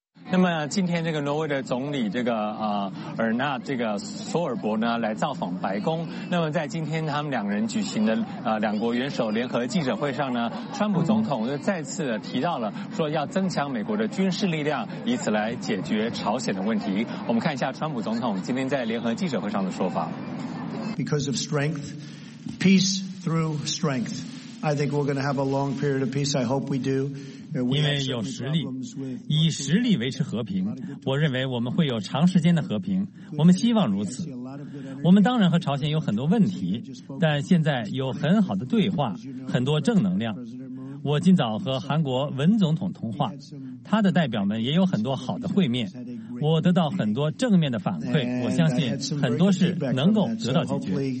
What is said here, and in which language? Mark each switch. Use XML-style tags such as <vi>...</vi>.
<zh>那么今天这个挪威的总理这个尔纳这个索尔伯呢来造访白宫。那么在今天他们两人举行的两国元首联合记者会上呢，川普总统就再次提到了说要增强美国的军事力量，以此来解决朝鲜的问题。我们看一下川普总统今天在联合记者会上的说法。</zh> <en>Because of strength, peace through strength. I think we're going to have a long period of peace. I hope we do.</en> <zh>因为有实力，以实力维持和平，我认为我们会有长时间的和平，我们希望如此。我们当然和朝鲜有很多问题，但现在有很好的对话，很多正能量。我今早和韩国文总统通话，他的代表们也有很多好的会面，我得到很多正面的反馈，我相信很多事能够得到解决。</zh>